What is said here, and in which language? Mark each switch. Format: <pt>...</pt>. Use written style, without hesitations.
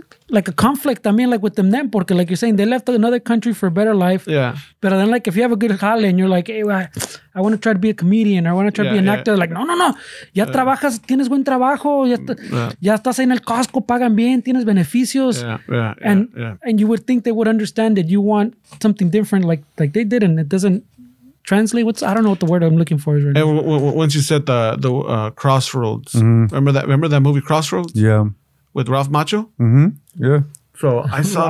<en>Like a conflict, I mean, like with them then,</en> <es>porque</es> <en>like you're saying, they left another country for a better life. Yeah. But then like, if you have a good jale and you're like, hey, I want to try to be a comedian or I want to try to be an actor, like, no.</en> <es>Ya trabajas, tienes buen trabajo. Ya estás en el Costco, pagan bien, tienes beneficios.</es> <en>Yeah, and you would think they would understand that you want something different. Like they didn't. It doesn't translate. I don't know what the word I'm looking for is right now. Once you said the Crossroads, remember that movie Crossroads? Yeah. With Ralph Macchio? Mm-hmm. Yeah. So I saw</en>